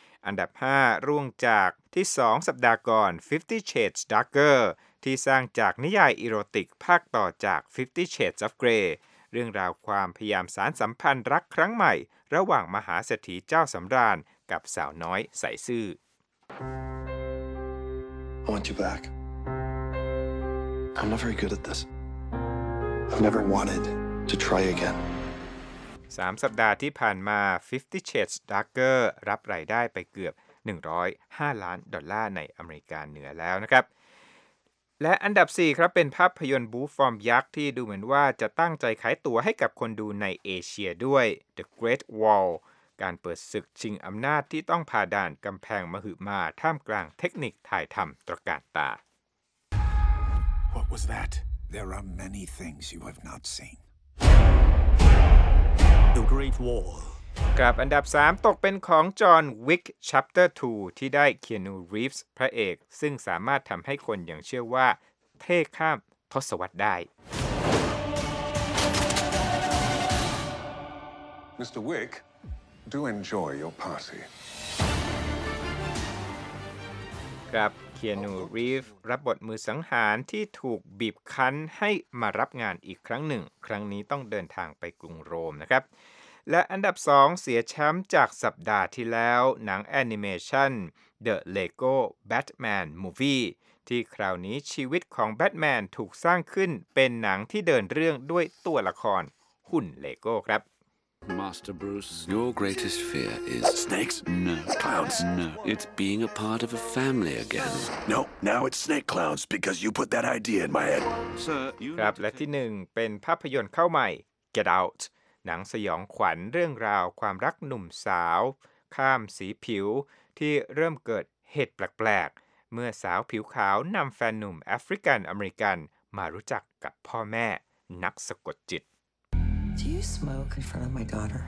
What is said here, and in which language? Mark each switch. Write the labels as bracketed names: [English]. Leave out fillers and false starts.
[Thai] อันดับ5ร่วงจากที่2สัปดาห์ก่อน Fifty Shades Darker ที่สร้างจากนิยายอีโรติกภาคต่อจาก Fifty Shades of Grey เรื่องราวความพยายามสานสัมพันธ์รักครั้งใหม่ระหว่างมหาเศรษฐีเจ้าสำราญกับสาวน้อยใสซื่อ [English] I want you back. I'm not very good at this. I've never wanted to try again. [Thai] 3 สัปดาห์ที่ผ่านมา Fifty Shades Darker รับรายได้ไปเกือบ105ล้านดอลลาร์ในอเมริกาเหนือแล้วนะครับและอันดับ4ครับเป็นภาพยนตร์บู๊ฟอร์มยักษ์ที่ดูเหมือนว่าจะตั้งใจขายตัวให้กับคนดูในเอเชียด้วย The Great Wall การเปิดศึกชิงอำนาจที่ต้องผ่าด่านกำแพงมหึมาท่ามกลางเทคนิคถ่ายทำตระการตา [English] What was that? There are many things you have not seen. The Great Wall. [Thai] กลับอันดับ3ตกเป็นของจอห์นวิก Chapter 2ที่ได้เคียนูรีฟส์พระเอกซึ่งสามารถทำให้คนอย่างเชื่อว่าเท่ข้ามทศวรรษได้ Mr. Wick. [English] Do enjoy your party. [Thai] ครับ Keanu Reeves รับบทมือสังหารที่ถูกบีบคั้นให้มารับงานอีกครั้งหนึ่งครั้งนี้ต้องเดินทางไปกรุงโรมนะครับและอันดับ2เสียแชมป์จากสัปดาห์ที่แล้วหนังแอนิเมชัน The Lego Batman Movie ที่คราวนี้ชีวิตของแบทแมนถูกสร้างขึ้นเป็นหนังที่เดินเรื่องด้วยตัวละครหุ่นเลโก้ครับ [English] Master Bruce, your greatest fear is snakes. No clouds. No, it's being a part of a family again. No, now it's snake clouds because you put that idea in my head. [Thai] ครับและที่หนึ่งเป็นภาพยนตร์เข้าใหม่ Get Out หนังสยองขวัญเรื่องราวความรักหนุ่มสาวข้ามสีผิวที่เริ่มเกิดเหตุแปลกๆเมื่อสาวผิวขาวนำแฟนหนุ่มแอฟริกันอเมริกันมารู้จักกับพ่อแม่นักสะกดจิต [English] Do you smoke in front of my daughter?